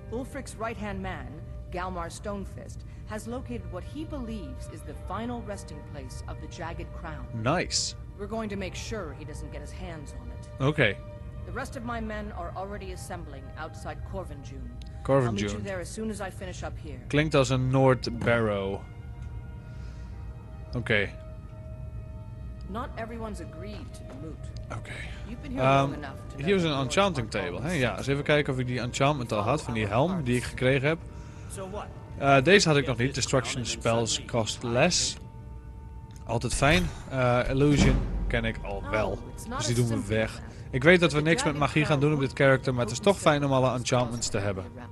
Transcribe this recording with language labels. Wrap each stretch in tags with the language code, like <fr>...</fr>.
<en>Ulfric's right-hand man, Galmar Stonefist, has located what he believes is the final resting place of the Jagged Crown. Nice. We're going to make sure he doesn't get his hands on it. Okay. The rest of my men are already assembling outside Corvinjune. Corvinjune. I'll meet you there as soon as I finish up here.</en> <nl>Klinkt als een Noord Barrow.</nl> <en>Okay. Not everyone's agreed to the Moot. Okay. You've been here long enough to know.</en> <nl>Hier is een enchanting table. Hey, ja, eens even kijken of ik die enchantment al had van die helm die ik gekregen heb. Deze had ik nog niet.</nl> <en>Destruction spells cost less.</en> <nl>Altijd fijn. Illusion ken ik al wel. Dus die doen we weg. Ik weet dat we niks met magie gaan doen op dit character, maar het is toch fijn om alle enchantments te hebben.</nl>